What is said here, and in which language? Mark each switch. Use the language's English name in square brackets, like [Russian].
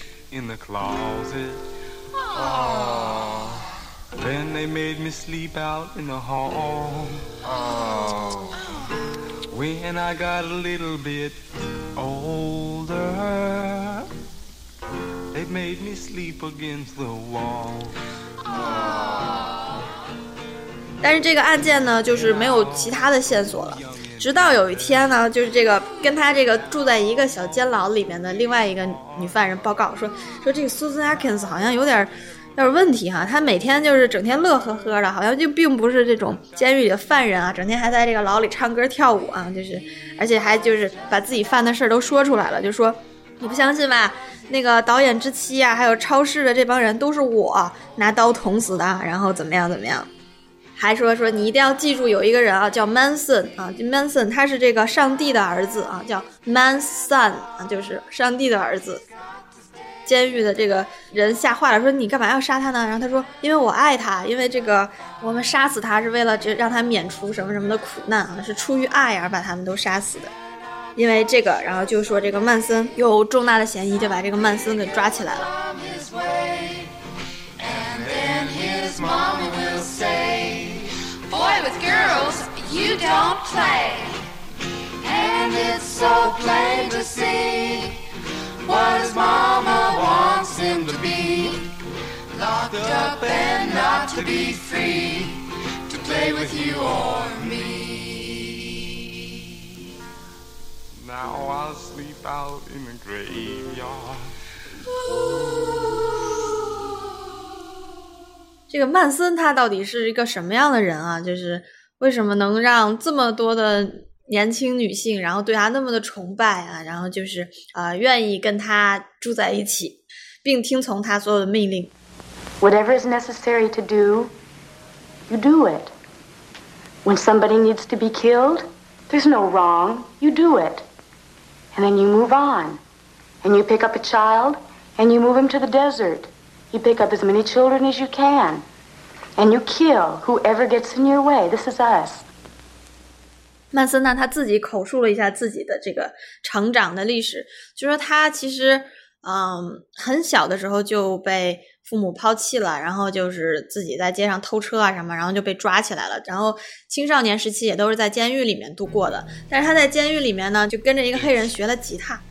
[English] Then they made me sleep out in the hall. When I got a little bit older, they made me sleep against the wall. [Chinese] 但是这个案件呢就是没有其他的线索了。直到有一天呢，就是这个跟他这个住在一个小监牢里面的另外一个女犯人报告说这个 Susan Atkins 好像有点问题哈，他每天就是整天乐呵呵的，好像就并不是这种监狱里的犯人啊，整天还在这个牢里唱歌跳舞啊，就是而且还就是把自己犯的事都说出来了，就说你不相信吧，那个导演之妻啊还有超市的这帮人都是我拿刀捅死的，然后怎么样怎么样，还说你一定要记住有一个人啊叫 Manson 啊， Manson 他是这个上帝的儿子啊，叫 Manson 啊，就是上帝的儿子。监狱的这个人吓坏了，说你干嘛要杀他呢，然后他说因为我爱他，因为这个我们杀死他是为了这让他免除什么什么的苦难啊，是出于爱而把他们都杀死的。因为这个然后就说这个曼森有重大的嫌疑，就把这个曼森给抓起来了。 [English] Boy with girls, you don't play. And it's so plain to see what his mama wants him to be. Locked up and not to be free to play with you or me. Now I'll sleep out in the graveyard. [Chinese] 这个曼森他到底是一个什么样的人啊，就是为什么能让这么多的年轻女性然后对他那么的崇拜啊，然后就是愿意跟他住在一起并听从他所有的命令。 [English] Whatever is necessary to do, you do it. When somebody needs to be killed, there's no wrong, you do it. And then you move on. And you pick up a child, and you move him to the desert. You pick up as many children as you can, and you kill whoever gets in your way. This is us. [Chinese] 曼森呢，他自己口述了一下自己的这个成长的历史，就说他其实，很小的时候就被父母抛弃了，然后就是自己在街上偷车啊什么，然后就被抓起来了。然后青少年时期也都是在监狱里面度过的，但是他在监狱里面呢，就跟着一个黑人学了吉他，